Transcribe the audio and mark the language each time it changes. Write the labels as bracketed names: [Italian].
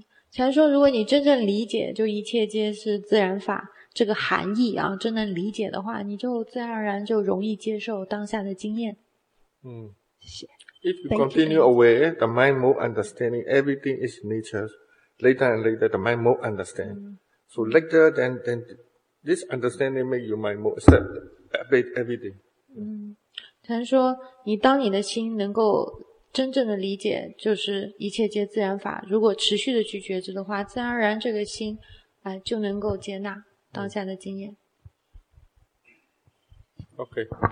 [Chinese] 禅师说如果你真正理解就一切皆是自然法这个含义啊，真能理解的话，你就自然而然就容易接受当下的经验。 [English] If you continue aware, the mind more understanding, everything is nature. Later and later, the mind more understand. So later, then This understanding make your mind more accept everything. [Chinese] 嗯，禅说，你当你的心能够真正的理解，就是一切皆自然法。如果持续的去觉知的话，自然而然这个心啊、就能够接纳当下的经验。 [English] OK。